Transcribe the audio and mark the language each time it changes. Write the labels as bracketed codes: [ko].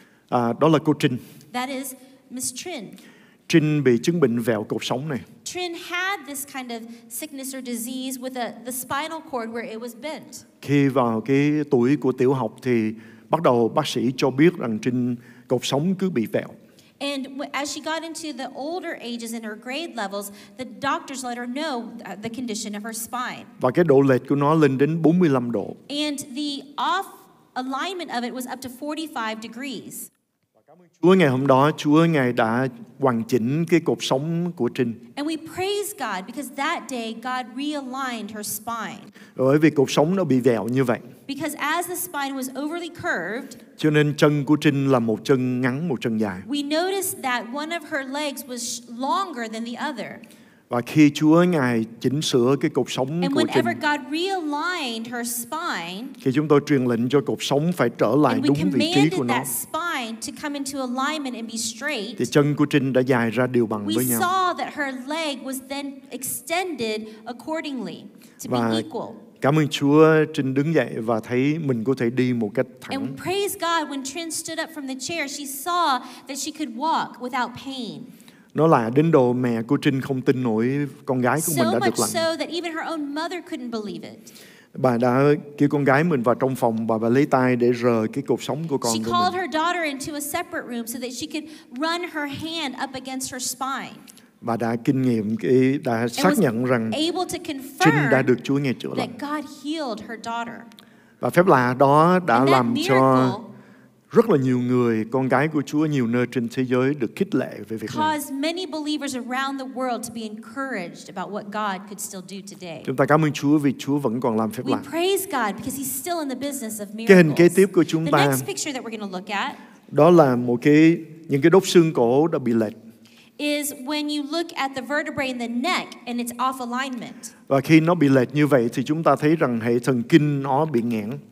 [vi] Đó là cô Trinh. [en] That is Miss Trinh. [vi] Trinh bị chứng bệnh vẹo cột sống này. [en] Trinh had this kind of sickness or disease with the spinal cord where it was bent. [vi] Khi vào cái tuổi của tiểu học thì bắt đầu bác sĩ cho biết rằng Trinh cột sống cứ bị vẹo. [en] And as she got into the older ages in her grade levels, the doctors let her know the condition of her spine. [vi] Và cái độ lệch của nó lên đến 45 độ. [en] And the off alignment of it was up to 45 degrees. [vi] Chúa ngày hôm đó, Chúa ngài đã hoàn chỉnh cái cột sống của Trinh. [en] And we praise God because that day God realigned her spine. [vi] Bởi vì cột sống nó bị vẹo như vậy. [en] Because as the spine was overly curved. [vi] Cho nên chân của Trinh là một chân ngắn, một chân dài. [en] We noticed that one of her legs was longer than the other. [vi] Và khi Chúa ngài chỉnh sửa cái cột sống [en] and [vi] của [en] whenever [vi] Trinh, [en] God realigned her spine, [vi] khi chúng tôi truyền lệnh cho cột sống phải trở lại đúng vị trí của nó, [en] to come into alignment and be straight, [vi] thì chân của Trinh đã dài ra điều bằng với nhau. [en] We saw that her leg was then extended accordingly to [vi] và [en] be equal. [vi] Cảm ơn Chúa, Trinh đứng dậy và thấy mình có thể đi một cách thẳng. [en] And praise God when Trinh stood up from the chair, she saw that she could walk without pain. [vi] Nó là đến độ mẹ của Trinh không tin nổi con gái của mình đã được lành. [en] So much so that even her own mother couldn't believe it. [vi] Bà đã kêu con gái mình vào trong phòng và bà lấy tay để rờ cái cột sống của con. [en] She called her daughter into a separate room so that she could run her hand up against her spine. [vi] Bà đã kinh nghiệm cái đã xác nhận rằng Trinh đã được Chúa nghe chữa lành. [en] That God healed her daughter. [vi] Và phép lạ đó đã làm cho rất là nhiều người con gái của Chúa nhiều nơi trên thế giới được khích lệ về việc này. [en] Caused many believers around the world to be encouraged about what God could still do today. [vi] Chúng ta cảm ơn Chúa vì Chúa vẫn còn làm phép lạ. [en] We praise God because He's still in the business of miracles. [vi] Cái hình kế tiếp của chúng ta. [en] The next picture that we're going to look at. [vi] Đó là một cái những cái đốt xương cổ đã bị lệch. [en] Is when you look at the vertebrae in the neck and it's off alignment. [vi] Và khi nó bị lệch như vậy thì chúng ta thấy rằng hệ thần kinh nó bị nghẽn.